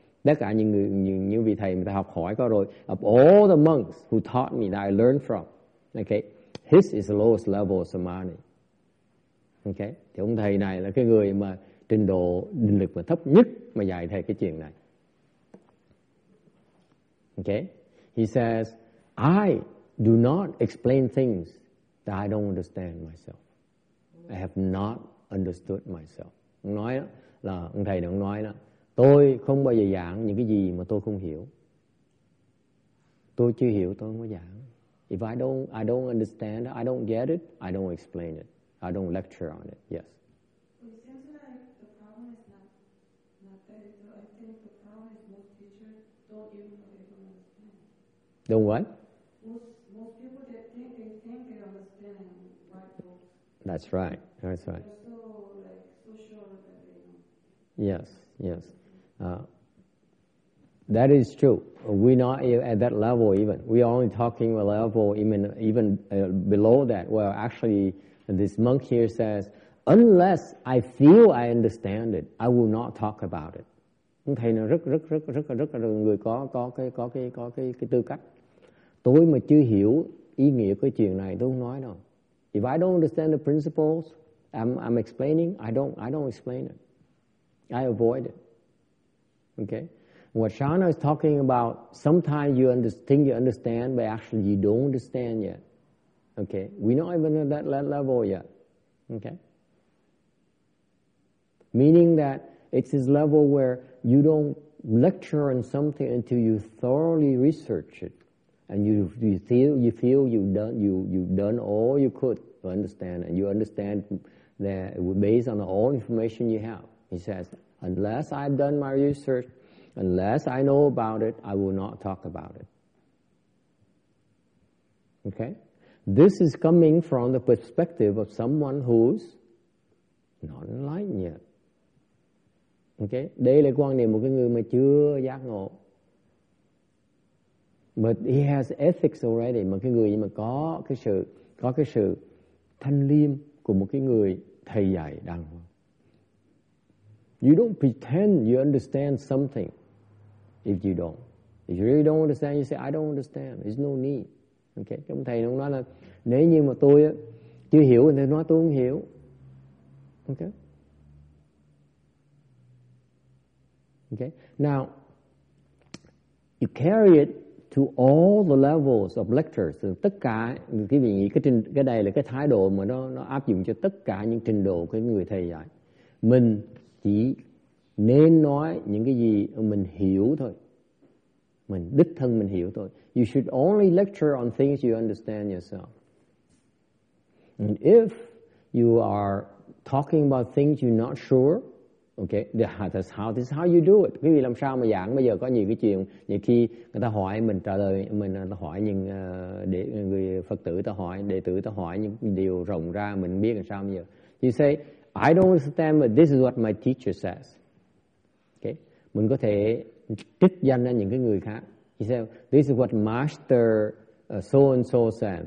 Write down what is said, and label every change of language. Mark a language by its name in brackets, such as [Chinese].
[Vietnamese] Tất cả những người, những vị thầy mà học hỏi có rồi. [English] Of all the monks who taught me that I learned from, okay, his is the lowest level of samadhi. Okay, [Vietnamese] thì ông thầy này là cái người mà trình độ định lực mà thấp nhất mà dạy thầy cái chuyện này. [English] Okay, he says, I do not explain things that I don't understand myself. I have not understood myself. [Vietnamese] Ông nói là ông thầy đã nói đó, tôi không bao giờ giảng những cái gì mà tôi không hiểu. Tôi chưa hiểu, tôi không có giảng. [English] If I don't understand, I don't get it, I don't explain it. I don't lecture on it. Yes. Don't what? Most people that think they understand why. That's right. That's right. They're so so sure that they know. Yes, yes. That is true. We're not at that level even. We are only talking a level even below that. Well, actually, this monk here says, unless I feel I understand it, I will not talk about it. [Vietnamese] Ông thầy này rất người có cái tư cách. Tôi mà chưa hiểu ý nghĩa cái chuyện này, tôi không nói đâu. [English] If I don't understand the principles I'm explaining, I don't explain it. I avoid it. Okay? What Shana is talking about, sometimes you think you understand, but actually you don't understand yet. Okay? We're not even at that level yet. Okay? Meaning that it's this level where you don't lecture on something until you thoroughly research it. And you feel you've done all you could to understand, and you understand that based on all information you have. He says, unless I've done my research, unless I know about it, I will not talk about it. Okay? This is coming from the perspective of someone who's not enlightened yet. Okay? [Vietnamese] Đây là quan điểm một cái người mà chưa giác ngộ. [English] But he has ethics already. [Vietnamese] Mà cái người mà có cái sự thanh liêm của một cái người thầy dạy đàng hoàng. [English] You don't pretend you understand something if you don't. If you really don't understand, you say, I don't understand. There's no need. Okay? [Vietnamese] Cái ông thầy nó nói là, nếu như mà tôi chưa hiểu, thì nói tôi không hiểu. [English] Okay? Okay? Now, you carry it to all the levels of lectures. [Vietnamese] Tất cả, quý vị nghĩ cái đây là cái thái độ mà nó áp dụng cho tất cả những trình độ của người thầy dạy. Mình chỉ nên nói những cái gì mình hiểu thôi. Mình đích thân mình hiểu thôi. [English] You should only lecture on things you understand yourself. And if you are talking about things you're not sure, okay, that's how you do it. [Vietnamese] Quý vị làm sao mà giảng bây giờ có nhiều cái chuyện, nhiều khi người ta hỏi mình trả lời, mình hỏi những để người Phật tử ta hỏi, đệ tử ta hỏi những điều rộng ra mình biết làm sao bây giờ. [English] You say, I don't understand, but this is what my teacher says. [Vietnamese] Okay, mình có thể trích danh ra những cái người khác. [English] He said, this is what Master so and so says.